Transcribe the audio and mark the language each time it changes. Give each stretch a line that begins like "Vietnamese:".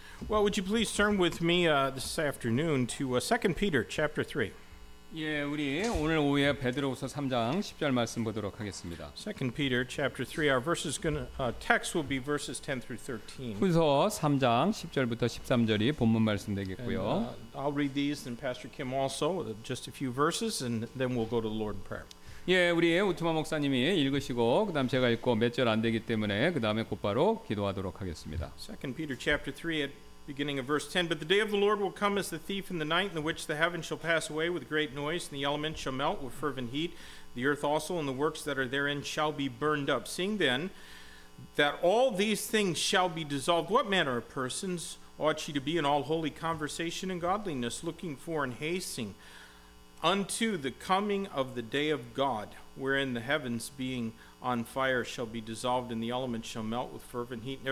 English: Well, would you please turn with me this afternoon to 2 Peter chapter 3.
Korean: 예, 우리 오늘 오후에 베드로후서 3장 10절 말씀 보도록 하겠습니다.
English: 2 Peter chapter 3 our verses gonna text will be verses 10 through 13.
Korean: 후서 3장 10절부터 13절이 본문 말씀 되겠고요.
English: And, I'll read these and Pastor Kim also just a few verses and then we'll go to the Lord in prayer.
Korean: 예, 우리 우투마 목사님이 읽으시고 그다음 제가 읽고 몇 절 안 되기 때문에 그다음에 곧바로 기도하도록 하겠습니다.
English: 2 Peter chapter 3 beginning of verse 10, but the day of the Lord will come as the thief in the night, in the which the heavens shall pass away with great noise, and the elements shall melt with fervent heat, the earth also and the works that are therein shall be burned up. Seeing then that all these things shall be dissolved, what manner of persons ought ye to be in all holy conversation and godliness, looking for and hasting unto the coming of the day of God, wherein the heavens being on fire shall be dissolved and the elements shall melt with fervent heat.